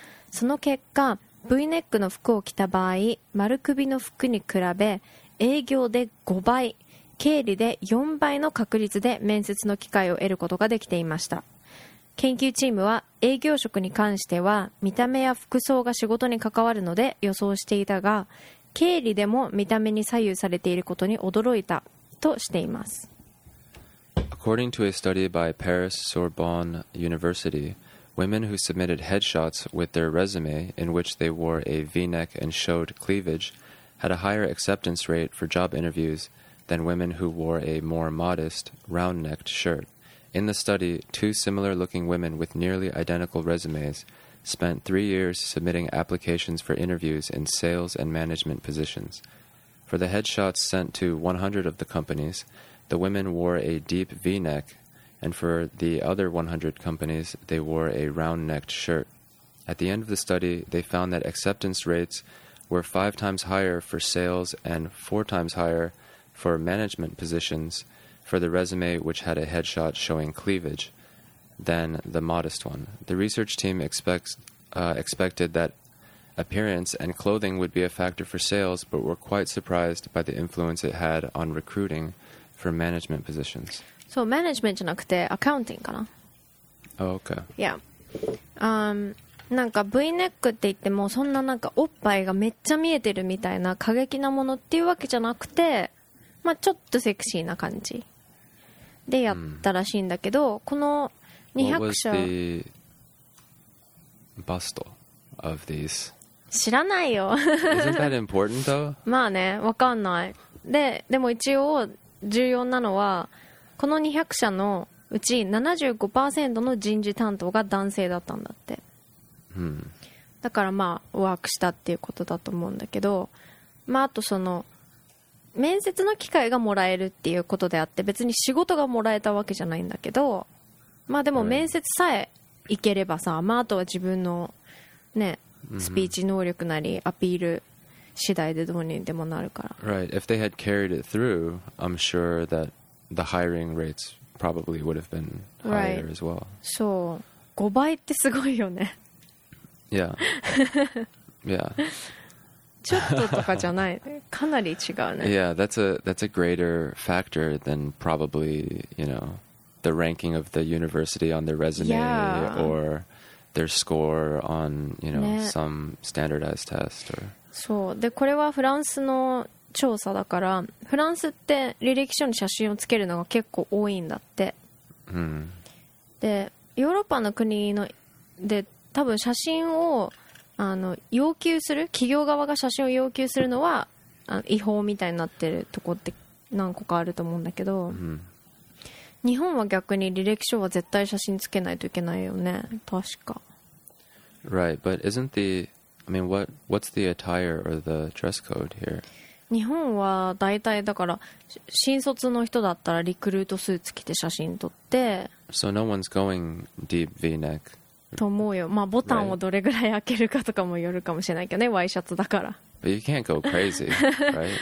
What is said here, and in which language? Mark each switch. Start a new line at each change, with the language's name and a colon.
Japanese: その結果、 V ネックの服を着た場合、丸首の服に比べ営業で5倍、経理で4倍の確率で面接の機会を得ることができていました。研究チームは、営業職に関しては見た目や服装が仕事に関わるので予想していたが、経理でも見た目に左右されていることに驚いたとしています。
English: According to a study by Paris Sorbonne University, women who submitted headshots with their resume in which they wore a V-neck and showed cleavage had a higher acceptance rate for job interviews than women who wore a more modest, round-necked shirt. In the study, two similar-looking women with nearly identical resumes spent 3 years submitting applications for interviews in sales and management positions. For the headshots sent to 100 of the companies,The women wore a deep V-neck, and for the other 100 companies, they wore a round-necked shirt. At the end of the study, they found that acceptance rates were 5 times higher for sales and 4 times higher for management positions for the resume which had a headshot showing cleavage than the modest one. The research team expected that appearance and clothing would be a factor for sales, but were quite surprised by the influence it had on recruiting. For management positions.
Japanese: そう、マネジメントじゃなくてアカウンティングかな。
English: Oh, okay. Yeah.
Japanese: なんか V ネックって言っても、そんななんかおっぱいがめっちゃ見えてるみたいな過激なものっていうわけじゃなくて、まあちょっとセクシーな感じでやったらしいんだけど、この200社。
English: What was the bust of these?
Japanese: 知らないよ。
English: Isn't that important though?
Japanese: まあね、わかんない。でも一応。重要なのは、この200社のうち 75% の人事担当が男性だったんだって。だからまあワークしたっていうことだと思うんだけど、まああとその面接の機会がもらえるっていうことであって、別に仕事がもらえたわけじゃないんだけど、まあでも面接さえいければさ、まああとは自分のね、スピーチ能力なりアピール次第でどうにでもなるから。
English: Right. If they had carried it through, I'm sure that the hiring rates probably would have been higher as well.
Japanese: そう、5倍ってすごいよね。
English: Yeah. Yeah.
Japanese: ちょっととかじゃない。かなり違うね。
English: Yeah, that's a greater factor than probably, you know, the ranking of the university on their resume、 yeah. or their score on, you know,、ね、some standardized test or...
Japanese: そう。でこれはフランスの調査だから、フランスって履歴書に写真をつけるのが結構多いんだって、うん、でヨーロッパの国ので多分写真を要求する、企業側が写真を要求するのは違法みたいになってるとこって何個かあると思うんだけど、うん、日本は逆に履歴書は絶対写真つけないといけないよね、確か。
English: Right, but isn't theI mean, what's the attire or the dress code here?
Japanese: 日本は大体だから新卒の人だったらリクルートスーツ着て写真撮って。
English: So no one's going deep V-neck.
Japanese: と思うよ。まあボタンをどれぐらい開けるかとかもよるかもしれないけどね、ワイシャツだから。
English: But you can't go crazy, right?